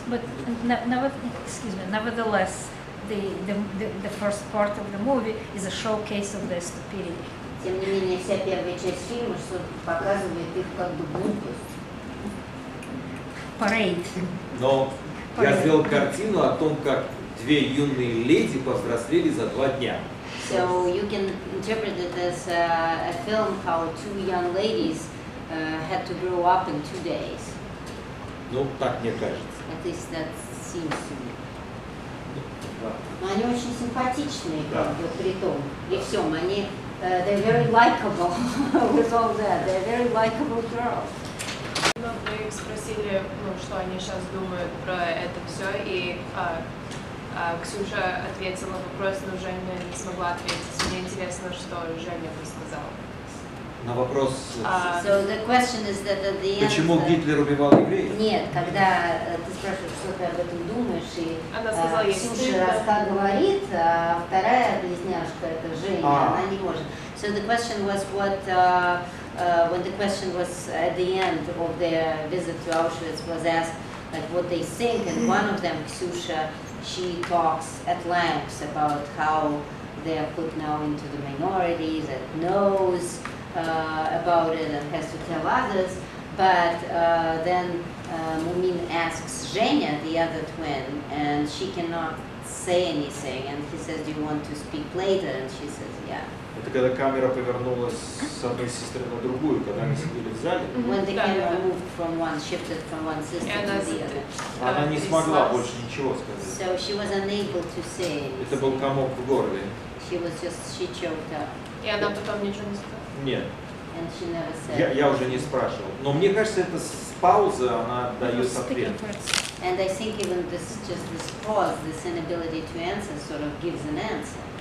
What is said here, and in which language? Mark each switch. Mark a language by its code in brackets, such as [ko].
[en] But nevertheless, the first part of the movie is a showcase of their stupidity. [ru] Тем не менее, вся первая часть фильма показывает их как бы глупость. Парейд. Но я сделал картину о том, как две юные леди повзрослели за два дня. [en] So you can interpret it as a film how two young ladies had to grow up in 2 days. [ru] Ну, так мне кажется. [en] At least that seems to me. [ru] Но они очень симпатичные, как бы, при том. И всем, они, [en] they're very likable with all that. They're very likable girls. [ru] Мы их спросили, ну, что они сейчас думают про это все, и Ксюша ответила вопрос, но Женя не смогла ответить. Мне интересно, что Женя бы сказала. На вопрос... [en] So the question is that at the end... [ru] Почему Гитлер убивал евреев? Нет, когда ты спрашиваешь, что ты об этом думаешь, и она сказала, Ксюша рассказ говорит, а вторая близняшка, это Женя, она не может. [en] So the question was what... when the question was at the end of their visit to Auschwitz was asked, like what they think, and one of them, Ksusha, she talks at length about how they are put now into the minority, that knows about it and has to tell others. But then Mumin asks Zhenya, the other twin, and she cannot say anything. And he says, do you want to speak later? And she says, yeah. [ru] Это когда камера повернулась с одной сестры на другую, когда они сидели в зале. [en] When the camera moved from one, shifted from one sister to the other. [ru] Она не смогла больше ничего сказать. [en] So she was unable to say. [ru] Это был комок в горле. [en] She was just, she choked up. [ru] И она потом ничего не сказала? Нет. [en] And she never said. [ru] Я уже не спрашивал. Но мне кажется, это с паузы она дает ответ. [en] And I think even this, just this pause, this inability to answer sort of gives an answer.